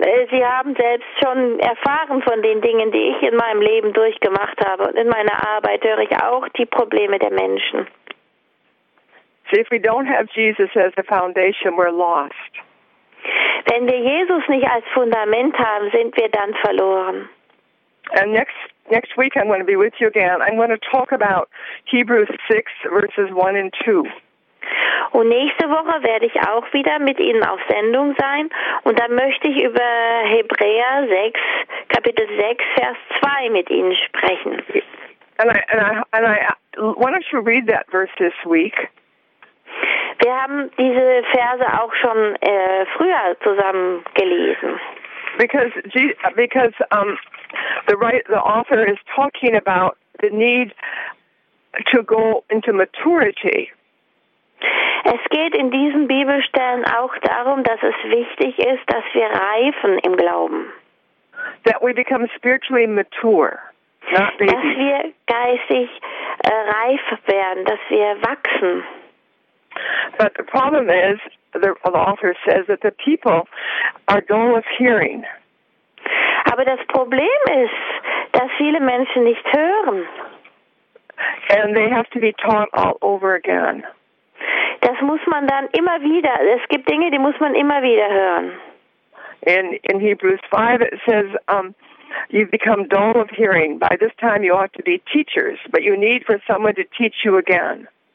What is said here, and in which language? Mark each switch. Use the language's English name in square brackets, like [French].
[German] Sie haben selbst schon erfahren von den Dingen, die ich in meinem Leben durchgemacht habe. Und in meiner Arbeit höre ich auch die Probleme der Menschen. [English] See, if we don't have Jesus as the foundation, we're lost. [German] Wenn wir Jesus nicht als Fundament haben, sind wir dann verloren. [English] And next week I'm going to be with you again. I'm going to talk about Hebrews 6, verses 1 and 2. [German] Und nächste Woche werde ich auch wieder mit Ihnen auf Sendung sein. Und dann möchte ich über Hebräer 6, Kapitel 6, Vers 2 mit Ihnen sprechen. [English] Why don't you read that verse this week? [German] Wir haben diese Verse auch schon früher zusammen gelesen. [English] Because the author is talking about the need to go into maturity. [German] Es geht in diesen Bibelstellen auch darum, dass es wichtig ist, dass wir reifen im Glauben. [English] That we become spiritually mature, not babies. [German] Dass wir geistig reif werden, dass wir wachsen. [English] But the problem is, the author says that the people are dull of hearing. [German] Aber das Problem ist, dass viele Menschen nicht hören. [English] And they have to be taught all over again. [German] Das muss man dann immer wieder, es gibt Dinge, die muss man immer wieder hören. [English] In Hebrews 5 it says, you've become dull of hearing. By this time you ought to be teachers, but you need for someone to teach you again.